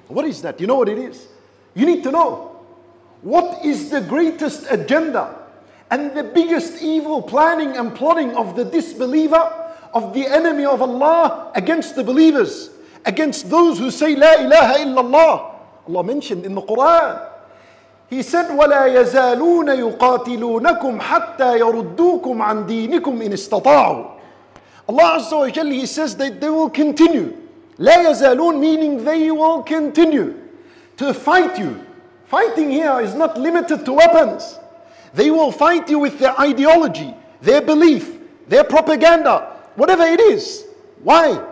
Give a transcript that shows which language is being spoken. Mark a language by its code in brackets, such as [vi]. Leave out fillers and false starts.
[en] What is that? You know what it is? You need to know. What is the greatest agenda and the biggest evil planning and plotting of the disbeliever, of the enemy of Allah against the believers, against those who say, [ar] La ilaha illallah. [en] Allah mentioned in the Quran. [ar] He said, وَلَا يَزَالُونَ يُقَاتِلُونَكُمْ حَتَّى يَرُدُّوكُمْ عَنْ دِينِكُمْ إِنِ اسْتَطَاعُوا. [en] Allah Azza wa Jalla, he says that they will continue. La yazalun, meaning they will continue to fight you. Fighting here is not limited to weapons. They will fight you with their ideology, their belief, their propaganda, whatever it is. Why?